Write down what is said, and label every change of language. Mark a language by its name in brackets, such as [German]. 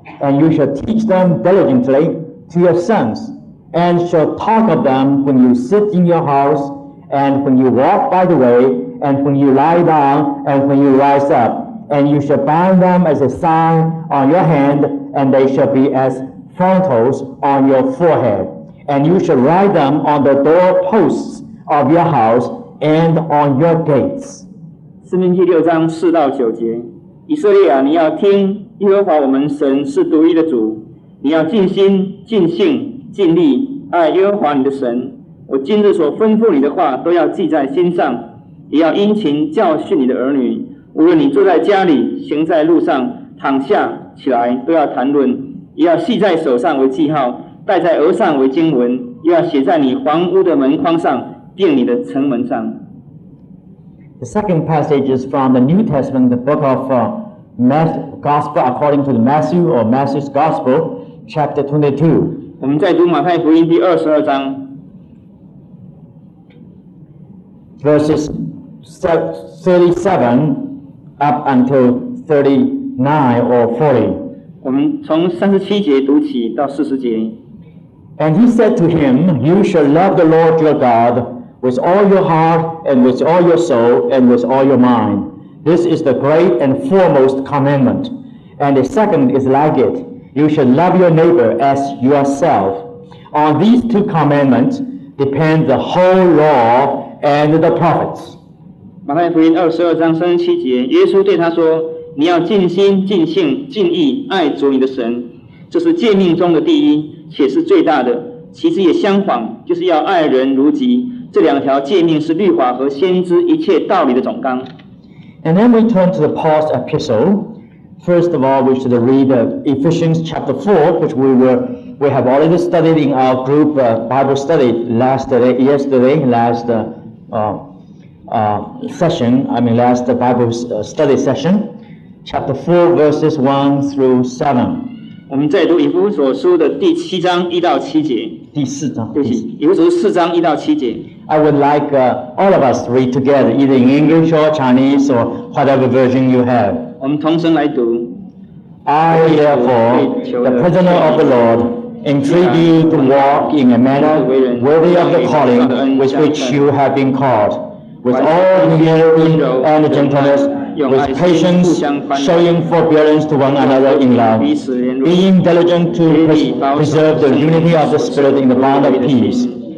[English] And you shall teach them diligently to your sons, and shall talk of them when you sit in your house, and when you walk by the way, and when you lie down, and when you rise up. And you shall bind them as a sign on your hand, and they shall be as frontals on your forehead. And you shall write them on the doorposts of your house and on your gates. [Chinese] 生命记六章四到九节，以色列啊，你要听。耶和华我们神是独一的主，你要尽心、尽性、尽力爱耶和华你的神。我今日所吩咐你的话都要记在心上，也要殷勤教训你的儿女。无论你坐在家里、行在路上、躺下、起来，都要谈论，也要系在手上为记号，戴在额上为经文，又要写在你房屋的门框上，并你的城门上。 [English] The second passage is from the New Testament, the book of Matthew. Gospel according to the Matthew or Matthew's Gospel, chapter 22. [Chinese] 我们在读马太福音第二十二章 [English] verses 37 up until 39 or 40. [Chinese] 我们从三十七节读起到四十节。 [English] And he said to him, "You shall love the Lord your God with all your heart and with all your soul and with all your mind. This is the great and foremost commandment." And the second is like it. You shall love your neighbor as yourself. On these two commandments depend the whole law and the prophets. [Chinese] 马太福音二十二章三十七节，耶稣对他说：“你要尽心、尽性、尽意爱主你的神，这是诫命中的第一，且是最大的。其实也相仿，就是要爱人如己。这两条诫命是律法和先知一切道理的总纲。” [English] And then we turn to the Paul's epistle. First of all, we should read Ephesians chapter 4, which we have already studied in our group Bible study last Bible study session, chapter 4, verses 1 through 7. [Chinese] 我们再读以弗所书的第七章一到七节。第四章。对不起，以弗所书四章一到七节。 [English] I would like all of us to read together, either in English or Chinese or whatever version you have. [Chinese] 我们同声来读。 [English] I therefore, the prisoner of the Lord, entreat you to walk in a manner worthy of the calling with which you have been called, with all humility and gentleness, with patience, showing forbearance to one another in love, being diligent to preserve the unity of the Spirit in the bond of peace.